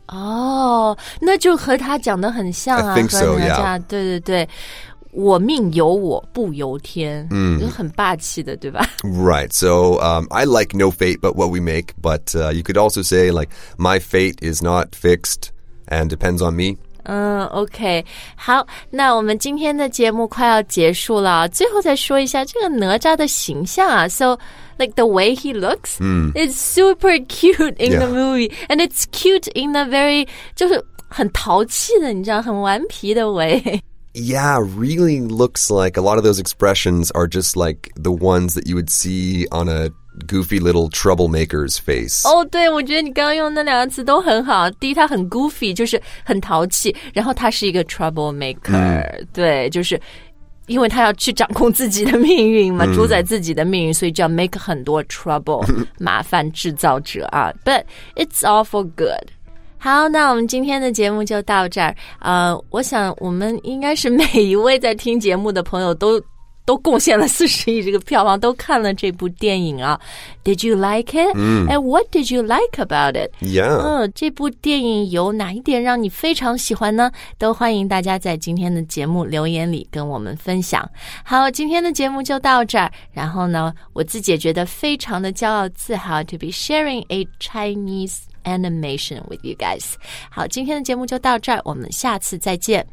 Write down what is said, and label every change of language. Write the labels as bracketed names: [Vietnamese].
[Chinese] Oh, 那就和他讲得很像啊。 [English] I think so, yeah. [Chinese] 对对对。我命由我不由天、就很霸气的对吧 [English] Right, so、I like no fate but what we make. But、you could also say like my fate is not fixed and depends on me. [Chinese] OK, 好，那我们今天的节目快要结束了，最后再说一下这个哪吒的形象啊。 [English] So like the way he looks、is super cute in、the movie. And it's cute in a very [Chinese] 就是很淘气的你知道很顽皮的 way。 [English] Yeah, really looks like a lot of those expressions are just like the ones that you would see on a goofy little troublemaker's face. [Chinese] Oh, 对，我觉得你刚刚用那两个词都很好。第一，他很 goofy, 就是很淘气，然后他是一个 troublemaker,、对，就是因为他要去掌控自己的命运嘛、主宰自己的命运，所以就要 make 很多 trouble, 麻烦制造者啊。 [English] But it's all for good. [Chinese] 好，那我们今天的节目就到这儿。我想我们应该是每一位在听节目的朋友都贡献了40亿这个票房，都看了这部电影啊。 [English] Did you like it?、And what did you like about it? Yeah. [Chinese] 这部电影有哪一点让你非常喜欢呢？都欢迎大家在今天的节目留言里跟我们分享。好，今天的节目就到这儿。然后呢，我自己也觉得非常的骄傲自豪 [English] to be sharing a Chinese animation with you guys. [Chinese] 好，今天的节目就到这儿，我们下次再见。